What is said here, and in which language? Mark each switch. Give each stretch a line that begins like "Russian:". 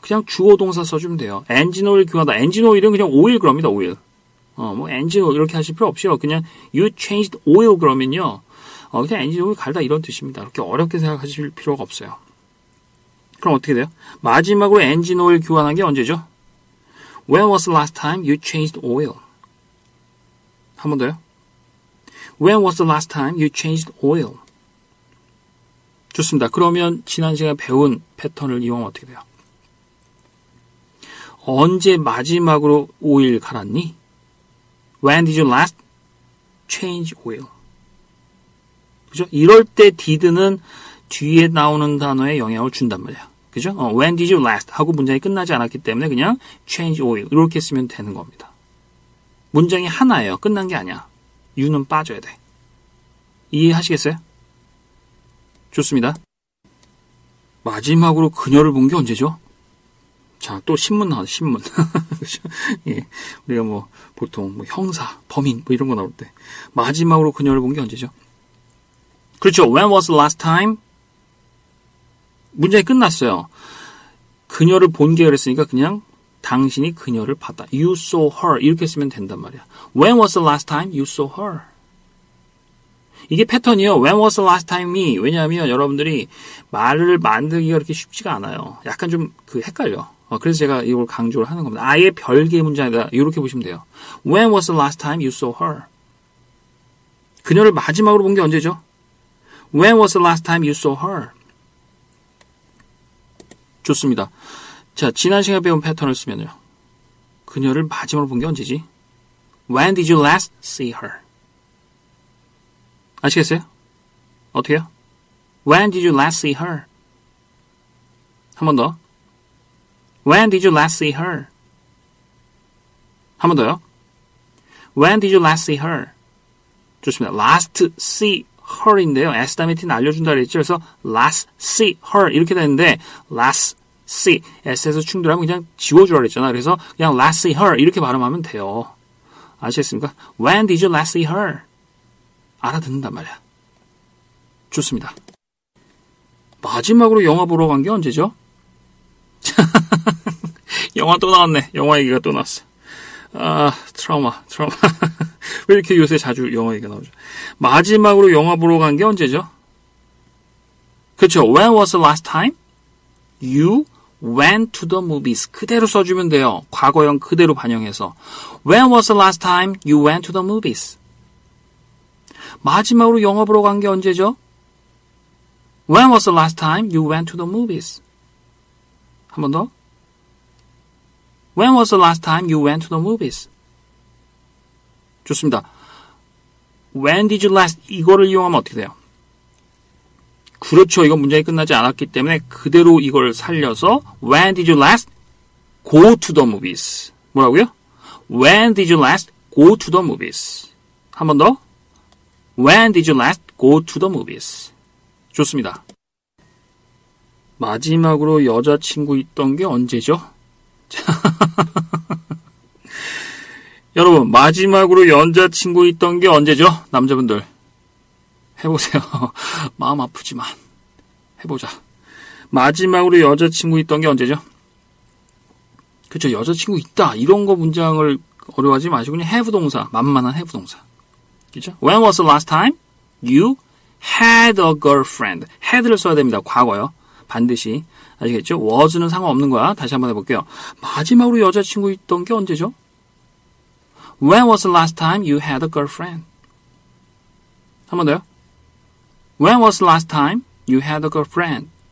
Korean: 그냥 주어동사 써주면 돼요. 엔진 오일 교환하다. 엔진 오일은 그냥 오일 그럽니다. 오일. 뭐 엔진 오일 이렇게 하실 필요 없이요. 그냥
English: you changed oil
Korean: 그러면요. 그냥 엔진 오일 갈다 이런 뜻입니다. 그렇게 어렵게 생각하실 필요가 없어요. 그럼 어떻게 돼요? 마지막으로 엔진 오일 교환한 게 언제죠?
English: When was the last time you changed oil?
Korean: 한 번 더요.
English: When was the last time you changed oil?
Korean: 좋습니다. 그러면 지난 시간에 배운 패턴을 이용하면 어떻게 돼요? 언제 마지막으로 오일 갈았니?
English: When did you last change oil?
Korean: 그죠? 이럴 때 did는 뒤에 나오는 단어에 영향을 준단 말이야. 그죠?
English: When did you last?
Korean: 하고 문장이 끝나지 않았기 때문에 그냥
English: change oil.
Korean: 이렇게 쓰면 되는 겁니다. 문장이 하나예요. 끝난 게 아니야. you는 빠져야 돼. 이해하시겠어요? 좋습니다. 마지막으로 그녀를 본 게 언제죠? 자, 또 신문 나왔어, 신문. 예, 우리가 뭐, 보통, 뭐, 형사, 범인, 뭐, 이런 거 나올 때. 마지막으로 그녀를 본 게 언제죠? 그렇죠.
English: When was the last time?
Korean: 문장이 끝났어요. 그녀를 본 게 그랬으니까 그냥 당신이 그녀를 봤다.
English: You saw her.
Korean: 이렇게 쓰면 된단 말이야.
English: When was the last time you saw her?
Korean: 이게 패턴이요.
English: When was the last time me?
Korean: 왜냐하면 여러분들이 말을 만들기가 그렇게 쉽지가 않아요. 약간 좀 그 헷갈려. 그래서 제가 이걸 강조를 하는 겁니다. 아예 별개의 문장이다. 이렇게 보시면 돼요.
English: When was the last time you saw her?
Korean: 그녀를 마지막으로 본 게 언제죠?
English: When was the last time you saw her?
Korean: 좋습니다. 자, 지난 시간에 배운 패턴을 쓰면요. 그녀를 마지막으로 본 게 언제지?
English: When did you last see her?
Korean: 아시겠어요? 어떻게요?
English: When did you last see her?
Korean: 한 번 더.
English: When did you last see her?
Korean: 한 번 더요.
English: When did you last see her?
Korean: 좋습니다.
English: Last see her인데요.
Korean: S 다음에 T는 알려준다 그랬죠. 그래서
English: last see her
Korean: 이렇게 되는데 last see S에서 충돌하면 그냥 지워주라 그랬잖아. 그래서 그냥
English: last see her
Korean: 이렇게 발음하면 돼요. 아시겠습니까?
English: When did you last see her?
Korean: 알아듣는단 말이야. 좋습니다. 마지막으로 영화 보러 간 게 언제죠? 영화 또 나왔네. 영화 얘기가 또 나왔어. 아, 트라우마. 왜 이렇게 요새 자주 영화 얘기가 나오죠? 마지막으로 영화 보러 간 게 언제죠? 그렇죠.
English: When was the last time you went to the movies?
Korean: 그대로 써주면 돼요. 과거형 그대로 반영해서.
English: When was the last time you went to the movies?
Korean: 마지막으로 영화 보러 간 게 언제죠?
English: When was the last time you went to the movies?
Korean: 한 번 더.
English: When was the last time you went to the movies?
Korean: 좋습니다.
English: When did you last?
Korean: 이거를 이용하면 어떻게 돼요? 그렇죠. 이건 문장이 끝나지 않았기 때문에 그대로 이걸 살려서
English: When did you last go to the movies?
Korean: 뭐라고요?
English: When did you last go to the movies?
Korean: 한 번 더.
English: When did you last go to the movies?
Korean: 좋습니다. 마지막으로 여자친구 있던 게 언제죠? 여러분, 마지막으로 여자친구 있던 게 언제죠? 남자분들. 해보세요. 마음 아프지만. 해보자. 마지막으로 여자친구 있던 게 언제죠? 그쵸, 여자친구 있다. 이런 거 문장을 어려워하지 마시고 그냥 have 동사. 만만한 have 동사. 그죠?
English: When was the last time you had a girlfriend?
Korean: had를 써야 됩니다. 과거요. 반드시. 아시겠죠? was는 상관없는 거야. 다시 한번 해볼게요. 마지막으로 여자친구 있던 게 언제죠?
English: When was the last time you had a girlfriend?
Korean: 한 번 더요.
English: When was the last time you had a girlfriend?